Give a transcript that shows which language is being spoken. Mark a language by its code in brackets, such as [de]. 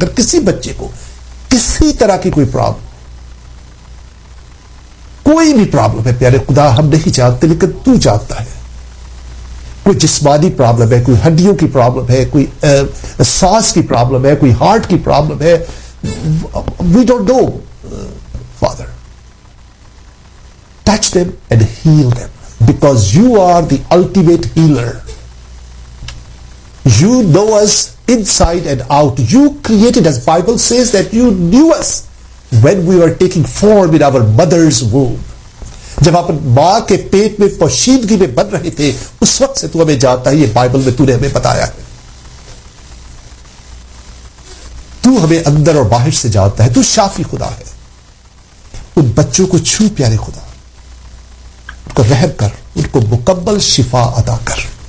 [ur] اگر کسی بچے کو کسی طرح کی کوئی پرابلم, کوئی بھی پرابلم ہے پیارے خدا, ہم نہیں جانتے لیکن تو جانتا ہے, کوئی جسمانی پرابلم ہے, کوئی ہڈیوں کی پرابلم ہے, کوئی سانس کی پرابلم ہے, کوئی ہارٹ کی پرابلم ہے, [en] We don't know Father, touch them and heal them, because you are the ultimate healer, You know us inside and out. You created us. Bible says that you knew us when we were taking form in our mother's womb. [ur] جب اپن ماں کے پیٹ میں پوشیدگی میں بن رہے تھے اس وقت سے تو ہمیں جانتا ہے, یہ بائبل میں تو نے ہمیں بتایا ہے. تو ہمیں اندر اور باہر سے جانتا ہے, تو شافی خدا ہے. ان بچوں کو چھو پیارے خدا, ان کو رحم کر, ان کو مکمل شفا ادا کر.